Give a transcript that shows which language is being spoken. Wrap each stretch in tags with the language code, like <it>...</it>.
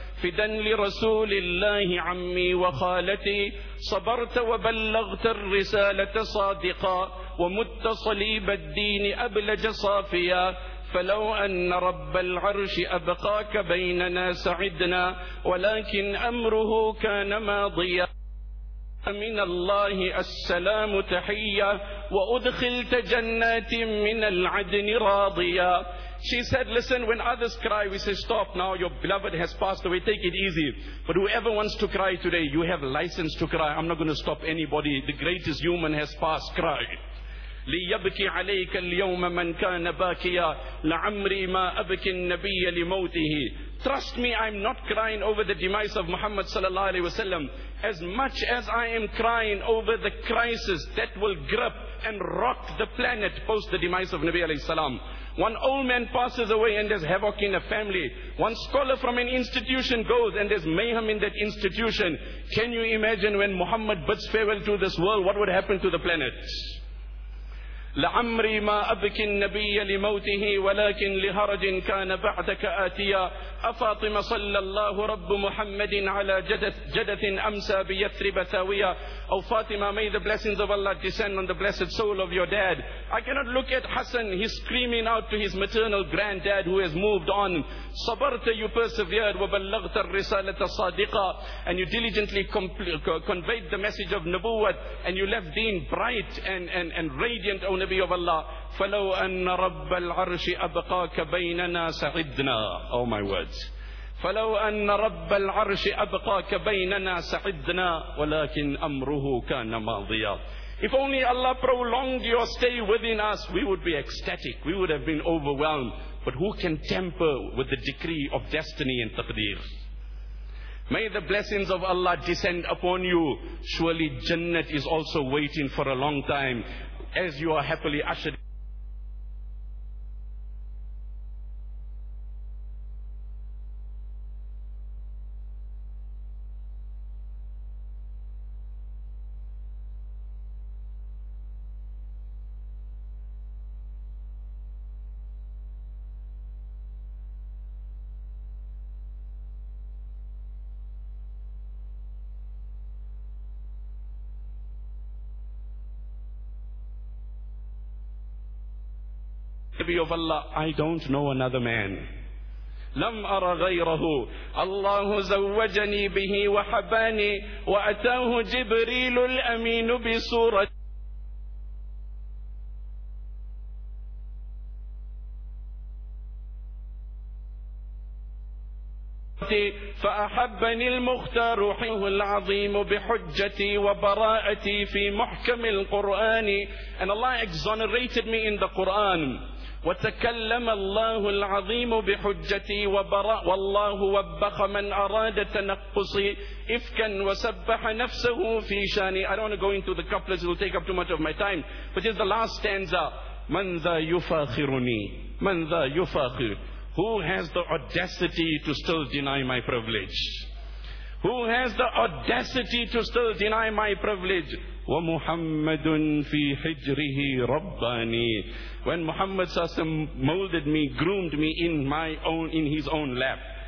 <ar>فدا لرسول الله عمي وخالتي صبرت وبلغت الرسالة صادقا ومت صليب الدين أبلج صافيا فلو أن رب العرش أبقاك بيننا سعدنا ولكن أمره كان ماضيا من الله السلام تحية وأدخلت جنات من العدن راضيا.</ar> <en>She said, listen, when others cry, we say, stop now, your beloved has passed away, take it easy. But whoever wants to cry today, you have license to cry. I'm not going to stop anybody. The greatest human has passed, cry.</en> <ar>لِيَبْكِ عَلَيْكَ الْيَوْمَ مَنْ كَانَ بَاكِيًا لَعَمْرِي مَا أَبْكِ النَّبِيَّ لِمَوْتِهِ.</ar> <en>Trust me, I'm not crying over the demise of Muhammad sallallahu alayhi wasallam as much as I am crying over the crisis that will grip and rock the planet post the demise of Nabi alayhi salam. One old man passes away and there's havoc in a family. One scholar from an institution goes and there's mayhem in that institution. Can you imagine when Muhammad bids farewell to this world, what would happen to the planet?</en> <ar>لعمري ما أبكي النبي لموته ولكن لهرج كان بعدك آتيا أفاطم صلى الله رب محمد على جدث أمسى بيثرب ثاويا.</ar> <en>Oh Fatima, may the blessings of Allah descend on the blessed soul of your dad. I cannot look at Hassan, he's screaming out to his maternal granddad who has moved on.</en> <ar>صبرت,</ar> <en>you persevered,</en> <ar>وبلغت الرسالة الصادقة,</ar> <en>and you diligently conveyed the message of Nubuwwat, and you left deen bright and radiant, O Nabi of Allah.</en> <ar>فلو أن رب العرش أبقاك بيننا سعدنا.</ar> <en>Oh my words.</en> <ar>فلو أن رب العرش أبقاك بيننا سعدنا ولكن أمره كان ماضيا.</ar> <en>If only Allah prolonged your stay within us, we would be ecstatic. We would have been overwhelmed. But who can tamper with the decree of destiny and taqdeer? May the blessings of Allah descend upon you. Surely Jannat is also waiting for a long time as you are happily ushered. Of Allah, I don't know another man.</en> <ar>لم أرى غيره. الله زوجني به وحباني وأتاه جبريل الأمين بصورة. فأحبني المختار روحه العظيم بحجتي وبراءتي في محكم القرآن.</ar> <en>And Allah exonerated me in the Quran.</en> <ar>وتكلم الله العظيم بحجتي وبراء والله وبخ من أراد تنقصي إفكا وسبح نفسه في شاني.</ar> <en>I don't want to go into the couplets, it will take up too much of my time. But it's the last stanza.</en> <ar>من ذا يفاخرني من ذا يفاخر.</ar> <en>Who has the audacity to still deny my privilege? Who has the audacity to still deny my privilege?</en> <ar>وَمُحَمَّدٌ فِي حِجْرِهِ رَبَّانِي.</ar> <en>When Muhammad Sassim molded me, groomed me in his own lap.</en>